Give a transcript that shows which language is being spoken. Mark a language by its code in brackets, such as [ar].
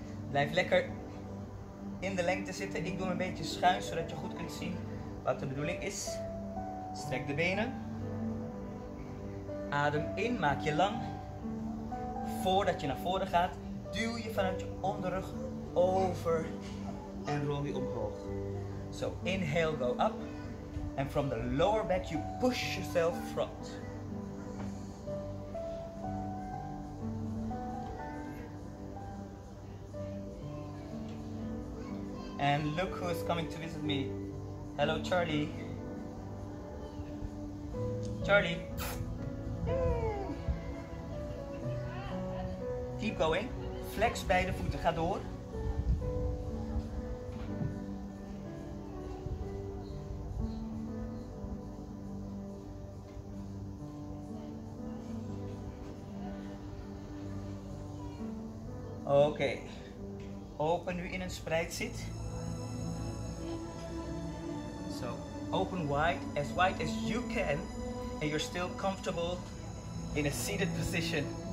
[nl] Blijf lekker in de lengte zitten. Ik doe hem een beetje schuin, zodat je goed kunt zien. Wat de bedoeling is, strek de benen, adem in, maak je lang, voordat je naar voren gaat, duw je vanuit je onderrug over en rol je omhoog. [en] So inhale, go up, and from the lower back you push yourself front. And look who is coming to visit me. Hello, Charlie. Keep going. [nl] Flex beide voeten. Ga door. [en] Okay. [nl] Open nu in een spreidzit. [en] Open wide as you can, and you're still comfortable in a seated position.